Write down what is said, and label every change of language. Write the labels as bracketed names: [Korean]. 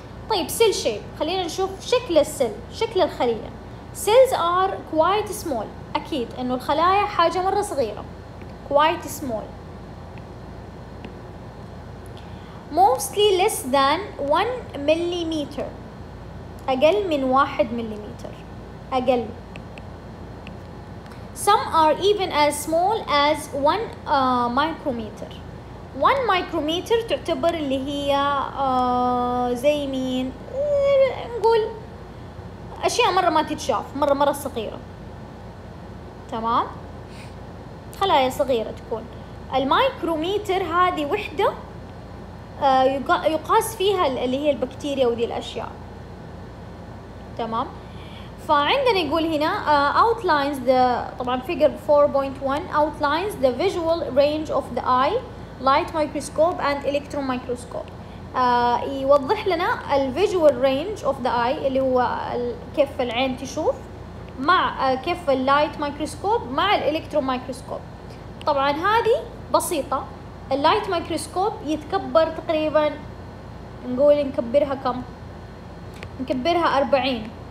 [Arabic] طيب سيل شيب، خلينا نشوف شكل السيل، شكل الخلية. [English] cells are quite small، [Arabic] أكيد إنه الخلايا حاجة مرة صغيرة، [English] quite small. mostly less than 1 millimeter، [Arabic] أقل من [English] 1 millimeter، [Arabic] أقل. [English] some are even as small as 1 micrometer. [Arabic] 1 micrometer تعتبر اللي هي زي مين نقول أشياء مرة ما تتشاف، مرة صغيرة. تمام، خلايا صغيرة تكون. المايكروميتر هذه وحدة يقاس فيها اللي هي البكتيريا ودي الأشياء. تمام، فعندنا يقول هنا [English] outlines the، [Arabic] طبعاً [English] figure 4.1 outlines the visual range of the eye light microscope and electron microscope. [Arabic] يوضح لنا ال [English] visual range of the eye [Arabic] اللي هو كيف العين تشوف مع كيف ال light microscope مع ال electron microscope. طبعاً هذه بسيطة، ال light microscope يتكبر تقريباً، نقول نكبرها كم؟ نكبرها 40.